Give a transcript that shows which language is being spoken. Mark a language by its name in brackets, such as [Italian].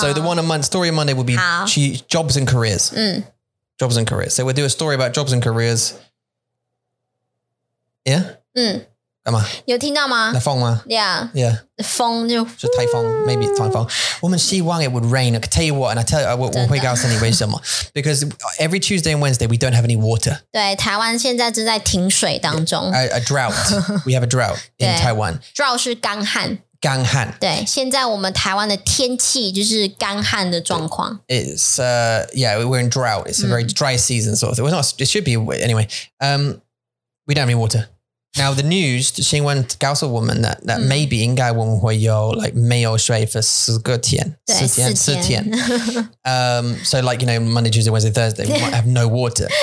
[English] So the one a month, story of Monday will be jobs and careers. Jobs and careers. So we'll do a story about jobs and careers. Yeah? [Chinese] 有听到吗? 那风吗? Yeah. 风就... [English] 就台风, maybe it's 台风. [Chinese] 我们希望 [English] it would rain. I can tell you what, and I tell you, [Chinese] 我会告诉你为什么. [English] Because every Tuesday and Wednesday, we don't have any water. [Chinese] 对,台湾现在正在停水当中. [English] A drought. We have a drought in Taiwan. [Chinese] Drought是干旱. 干旱，对，现在我们台湾的天气就是干旱的状况。 [English] It's we're in drought. It's a very dry season sort of thing. It should be anyway. We don't have any water. Now the news, the 新闻告诉我们 that maybe [Chinese] 应该我们会有 [English] like [Chinese] 没有水 [English] for [Chinese] 四天。 [English] So like, you know, Monday, Tuesday, Wednesday, Thursday, we might have no water.